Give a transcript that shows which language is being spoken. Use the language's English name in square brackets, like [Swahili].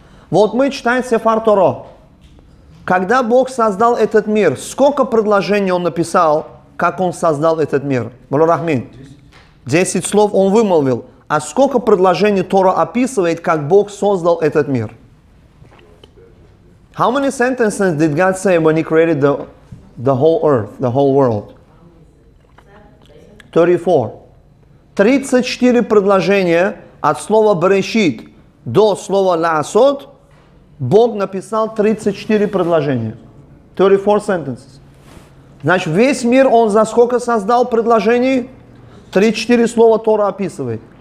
[Russian] Вот мы читаем Сефар Торо. Когда Бог создал этот мир, сколько предложений он написал, как он создал этот мир? Балурахмин. 10 слов он вымолвил. А сколько предложений Тора описывает, как Бог создал этот мир? [English] How many sentences did God say when He created the whole earth, the whole world? 34. [Russian] 34 предложения от слова «брешит» до слова «ласот» Бог написал 34 предложения. [English] 34 sentences. [Russian] Значит, весь мир Он за сколько создал предложений? 34 слова Тора описывает.